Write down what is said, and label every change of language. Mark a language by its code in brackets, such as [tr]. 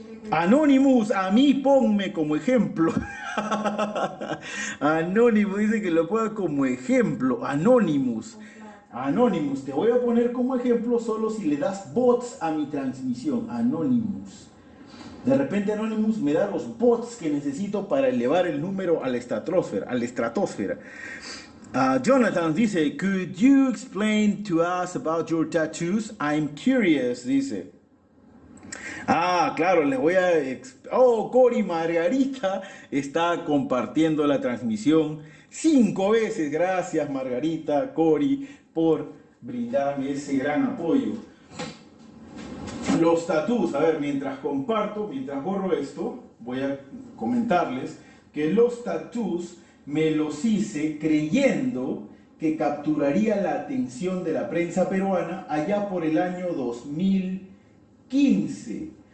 [es] Anonymous, a mí ponme como ejemplo. Anonymous, dice que lo ponga como ejemplo. Anonymous. Anonymous, te voy a poner como ejemplo solo si le das bots a mi transmisión. Anonymous. De repente Anonymous me da los bots que necesito para elevar el número a la estratosfera. Jonathan dice, [en] could you explain to us about your tattoos? I'm curious, [es] dice. Ah, claro, les voy a. Oh, Cory Margarita está compartiendo la transmisión 5 veces. Gracias, Margarita, Cory, por brindarme ese gran apoyo. Los tatús, a ver, mientras comparto, mientras borro esto, voy a comentarles que los tatús me los hice creyendo que capturaría la atención de la prensa peruana allá por el año 2015.